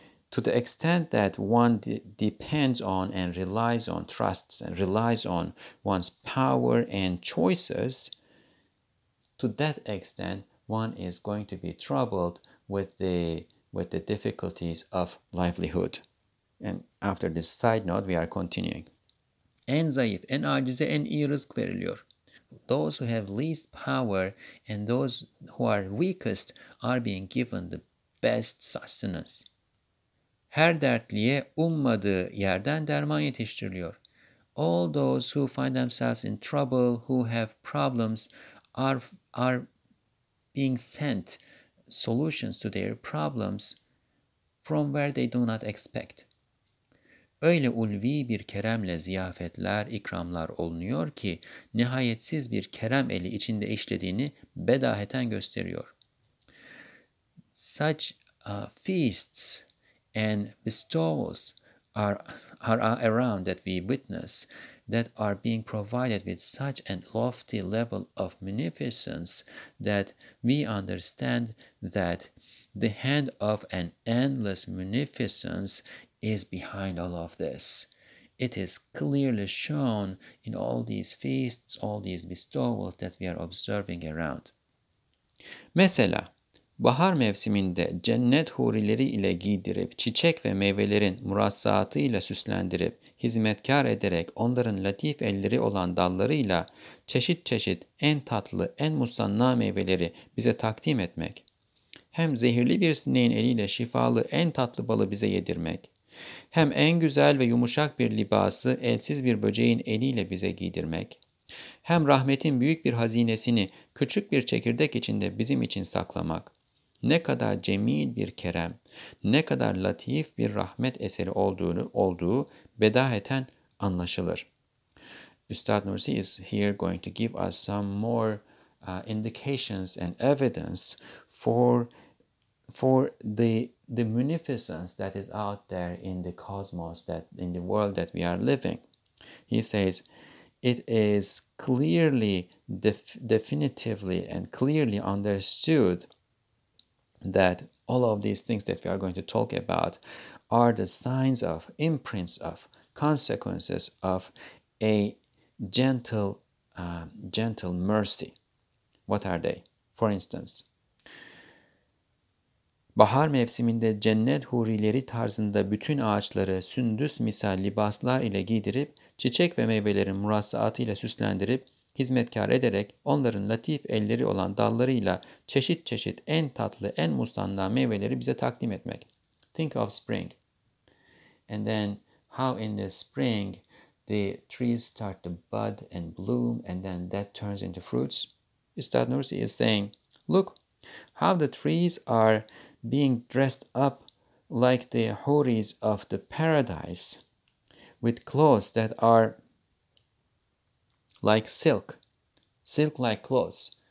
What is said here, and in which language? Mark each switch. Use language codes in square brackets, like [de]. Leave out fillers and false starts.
[en] To the extent that one depends on and relies on, trusts and relies on one's power and choices, to that extent, one is going to be troubled with the difficulties of livelihood. And after this side note, we are continuing. [tr] En zayıf, en acize, en iyi rızk veriliyor. [en] Those who have least power and those who are weakest are being given the best sustenance. [tr] Her dertliye ummadığı yerden derman yetiştiriliyor. [en] All those who find themselves in trouble, who have problems, are being sent solutions to their problems from where they do not expect. [tr] Öyle ulvi bir keremle ziyafetler, ikramlar olunuyor ki nihayetsiz bir kerem eli içinde işlediğini bedaheten gösteriyor. [en] Such feasts and bestowals are around that we witness that are being provided with such a lofty level of munificence that we understand that the hand of an endless munificence is behind all of this. It is clearly shown in all these feasts, all these bestowals that we are observing around. [tr] Mesela, bahar mevsiminde cennet hurileri ile giydirip, çiçek ve meyvelerin murassatıyla süslendirip, hizmetkar ederek onların latif elleri olan dallarıyla çeşit çeşit en tatlı, en musanna meyveleri bize takdim etmek, hem zehirli bir sineğin eliyle şifalı en tatlı balı bize yedirmek, hem en güzel ve yumuşak bir libası elsiz bir böceğin eliyle bize giydirmek, hem rahmetin büyük bir hazinesini küçük bir çekirdek içinde bizim için saklamak, ne kadar cemil bir kerem, ne kadar latif bir rahmet eseri olduğu bedaheten anlaşılır. [en] Üstad Nursi is here going to give us some more indications and evidence for the munificence that is out there in the cosmos, that in the world that we are living. He says it is clearly, definitively and clearly understood that all of these things that we are going to talk about are the signs of, imprints of, consequences of a gentle mercy. What are they? For instance, [tr] bahar mevsiminde cennet hurileri tarzında bütün ağaçları sündüs misal libaslar ile giydirip, çiçek ve meyvelerin murassaatı ile süslendirip, hizmetkar ederek onların latif elleri olan dallarıyla çeşit çeşit en tatlı, en musanna meyveleri bize takdim etmek. [en] Think of spring. And then how in the spring the trees start to bud and bloom and then that turns into fruits. Üstad Nursi is saying, look how the trees are being dressed up like the huris of the paradise with clothes that are like silk, silk-like clothes.